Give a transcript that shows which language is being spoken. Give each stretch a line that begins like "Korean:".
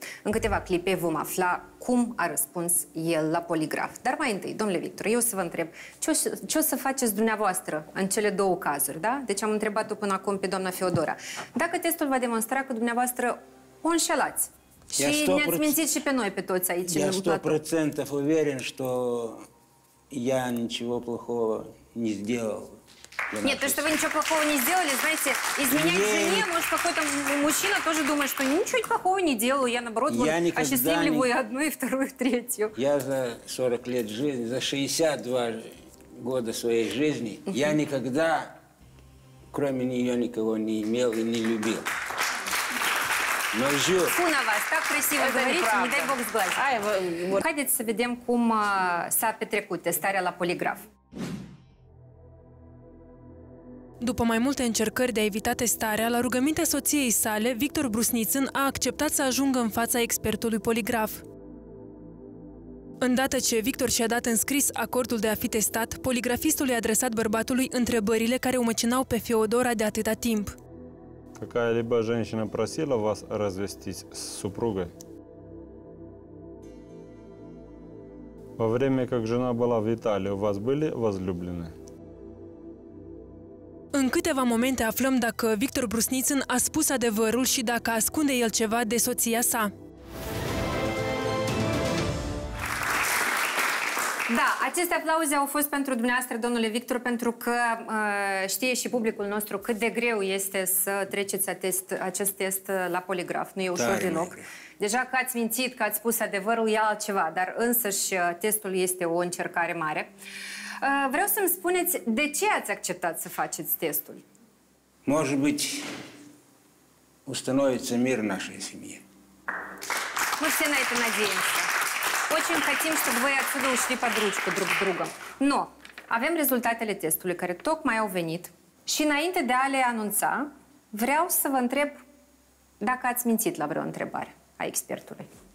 Romanian: În câteva clipe vom afla cum a răspuns el la poligraf. Dar mai întâi, domnule Victor, eu să vă întreb, ce o să faceți dumneavoastră în cele două cazuri, da? Deci am întrebat-o până acum pe doamna Feodora. Dacă testul va demonstra că dumneavoastră o înșelați și ne-ați mințit și pe noi, pe toți aici.
Russian: Я 100% уверен, что я ничего плохого не сделал. Нет, то, что вы ничего плохого не сделали, знаете, изменять жене, может, какой-то мужчина тоже думает, что ничего плохого не делаю, я, наоборот, вот, осчастливливаю и одну, и вторую, и третью. Я за 40 лет жизни, за 62 года своей жизни, я никогда, кроме нее, никого не имел и не любил. Но жил. Фу на вас, так красиво говорите, не дай бог сглазить.
Romanian: Хайдите, соведем, кум са петрекуте, старя ла полиграф. După mai multe încercări de a evita testarea, la rugămintea soției sale, Victor Brusnițân a acceptat să ajungă în fața expertului poligraf. Îndată ce Victor și-a dat în scris acordul de a fi testat, poligrafistul i-a adresat bărbatului întrebările care o măcinau pe Feodora de atâta timp.
Russian: Какая либо женщина просила вас развестись с супругой? Во время, как жена была в Италии, у вас были возлюбленные?
Romanian: În câteva momente aflăm dacă Victor Brusnițân a spus adevărul și dacă ascunde el ceva de soția sa. Da, aceste aplauze au fost pentru dumneavoastră, domnule Victor, pentru că știe și publicul nostru cât de greu este să treceți acest test la poligraf. Nu e ușor deloc. Deja că ați mințit, că ați spus adevărul, e altceva, dar însăși testul este o încercare mare. Vreau să-mi spuneți de ce ați acceptat să faceți testul.
Russian: Може быть, установится мир нашей семьи. Мы все на это надеемся. Очень хотим, чтобы вы отсюда ушли под ручку друг с другом.
Romanian: Но avem rezultatele testului care tocmai au venit și înainte de a le anunța, vreau să vă întreb dacă ați mințit la vreo întrebare a expertului.